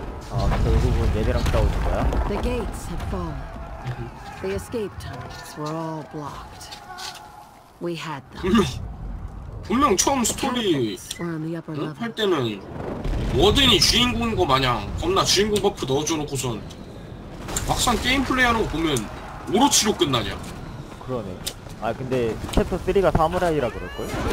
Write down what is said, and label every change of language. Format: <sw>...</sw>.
<ko>아, 결국은 얘네랑 싸우는 거야?</ko> <en>The gates had fallen. The escape tunnels were all blocked. We had them.</en> <ko>분명 처음 스토리 할 때는 워든이 주인공인 거 마냥 겁나 주인공 버프 넣어줘놓고선 막상 게임 플레이하는 거 보면 오로치로 끝나냐? 그러네. 아 근데 챕터 3가 사무라이라 그럴걸?</ko>